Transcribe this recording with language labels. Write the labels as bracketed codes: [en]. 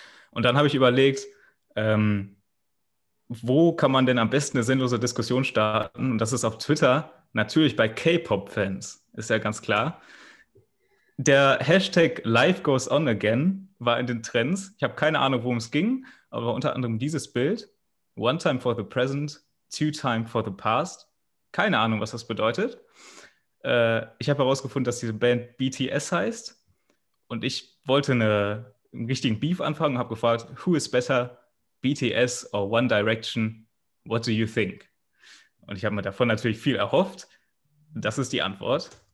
[de] Und dann habe ich überlegt, wo kann man denn am besten eine sinnlose Diskussion starten? Und das ist auf Twitter, natürlich bei K-Pop-Fans, ist ja ganz klar. Der Hashtag Life Goes On Again war in den Trends. Ich habe keine Ahnung, worum es ging, aber unter anderem dieses Bild. [en] One time for the present, 2 time for the past. [de] Keine Ahnung, was das bedeutet. Ich habe herausgefunden, dass diese Band BTS heißt. Und ich wollte einen richtigen Beef anfangen und habe gefragt, [en] who is better, BTS or One Direction, what do you think? [de] Und ich habe mir davon natürlich viel erhofft. Das ist die Antwort.